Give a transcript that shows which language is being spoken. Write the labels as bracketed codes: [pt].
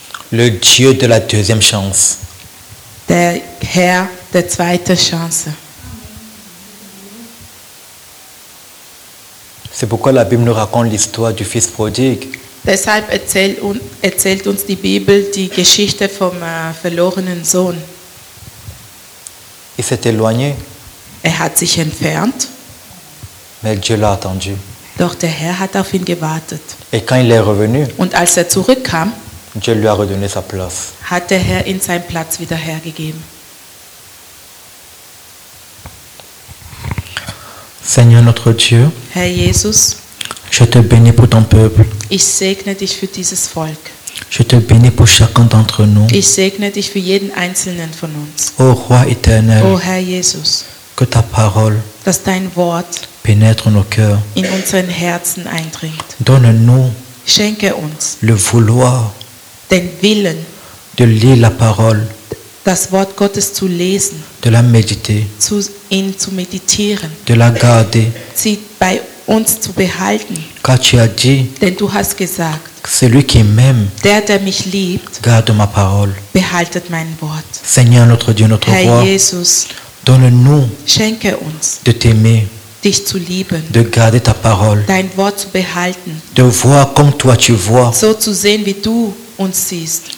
[fr] Le Dieu de la deuxième chance. [de] Der Herr der zweiten Chance. [fr] C'est pourquoi la Bible nous raconte l'histoire du fils prodigue. [de] Deshalb erzählt uns die Bibel die Geschichte vom verlorenen Sohn. [fr] Il s'est éloigné. [de] Er hat sich entfernt. [fr] Mais Dieu l'a attendu. [de] Doch der Herr hat auf ihn gewartet. [fr] Et quand il est revenu, [de] und als er zurückkam, [fr] Dieu lui a redonné sa place. [de] Hat der Herr ihm seinen Platz wieder hergegeben. [fr] Seigneur notre Dieu. [de] Herr Jesus. [fr] Je te bénis pour ton peuple. [de] Ich segne dich für dieses Volk. [fr] Je te bénis pour chacun d'entre nous. [de] Ich segne dich für jeden einzelnen von uns. [fr] Ô roi éternel. [de] Ô Herr Jesus. [fr] Que ta parole. [de] Dass dein Wort. [fr] Pénètre nos cœurs. [de] In unseren Herzen eindringt. [fr] Donne-nous. [de] Schenke uns. [fr] Le vouloir. [de] Den Willen. [fr] De lire la parole. [de] Das Wort Gottes zu lesen. [fr] De la méditer. [de] Ihn zu meditieren. [fr] De la garder. [de] Sie bei uns zu behalten. [fr] Car tu as dit, [de] denn du hast gesagt, [fr] celui qui m'aime, [de] der mich liebt, [fr] garde ma parole. [de] Behaltet mein Wort. [fr] Seigneur notre Dieu, notre [de] Herr [fr] roi, [de] Jesus, [fr] donne-nous, [de] schenke uns, [fr] de t'aimer, [de] dich zu lieben, [fr] de garder ta parole, [de] dein Wort zu behalten, [fr] de voir comme toi tu vois, [de] so zu sehen wie du uns siehst,